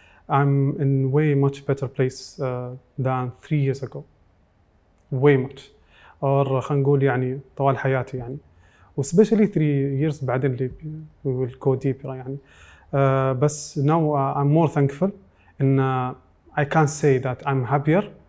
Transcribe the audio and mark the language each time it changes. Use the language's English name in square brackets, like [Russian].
[English] I'm in way much better place than 3 years ago. Way much. [Arabic] Or خلينا نقول يعني طوال حياتي يعني. [English] Especially 3 years [Arabic] بعدين اللي [English] will go deeper يعني. بس now I'm more thankful إن I can say that I'm happier.